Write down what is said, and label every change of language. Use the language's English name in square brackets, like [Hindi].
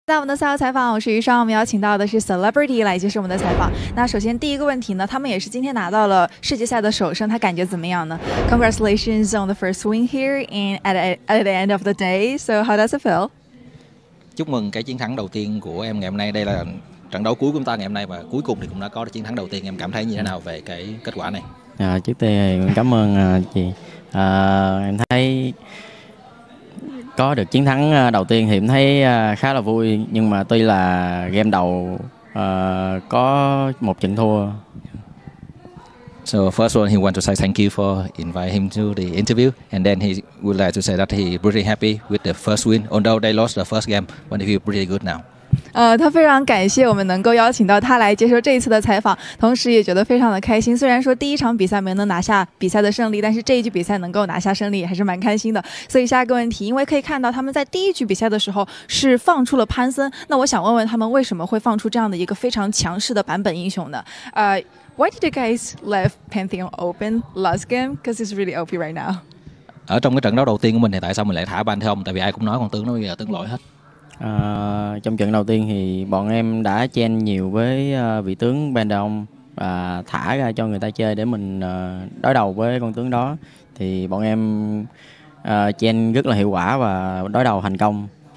[Chinese] 在我们的赛后采访，我是余霜，我们邀请到的是 celebrity 来接受我们的采访。那首先第一个问题呢，他们也是今天拿到了世界赛的首胜，他感觉怎么样呢？ [English] Congratulations on the first win here in at the end of the day. So how does it feel? [Vietnamese] 祝梦cái chiến thắng đầu tiên của em ngày hôm nay. Đây là trận đấu cuối của chúng ta ngày hôm nay và cuối cùng thì cũng đã có chiến thắng đầu tiên. Em cảm thấy như thế nào về cái kết quả này? Trước tiên thì cảm ơn chị. Em thấy có được chiến thắng đầu tiên thì em thấy khá là vui, nhưng mà tuy là game đầu có một trận thua. [English] So first one, he want to say thank you for invite him to the interview, and then he would like to say that he pretty happy with the first win, although they lost the first game, but he feel pretty good now. [Chinese] 他非常感谢我们能够邀请到他来接受这一次的采访，同时也觉得非常的开心。虽然说第一场比赛没能拿下比赛的胜利，但是这一局比赛能够拿下胜利还是蛮开心的。所以下一个问题，因为可以看到他们在第一局比赛的时候是放出了潘森，那我想问问他们为什么会放出这样的一个非常强势的版本英雄呢？ [English] Why did you guys left Pantheon open last game? Because it's really OP right now. [Vietnamese] 哦，trong cái trận đấu đầu tiên của mình thì tại sao mình lại thả Pantheon? Tại vì ai cũng nói con tướng nó bây giờ tướng lỗi hết. Trong trận đầu tiên thì bọn em đã chen nhiều với vị tướng Pantheon và thả ra cho người ta chơi để mình đối đầu với con tướng đó. Thì bọn em chen rất là hiệu quả và đối đầu thành công.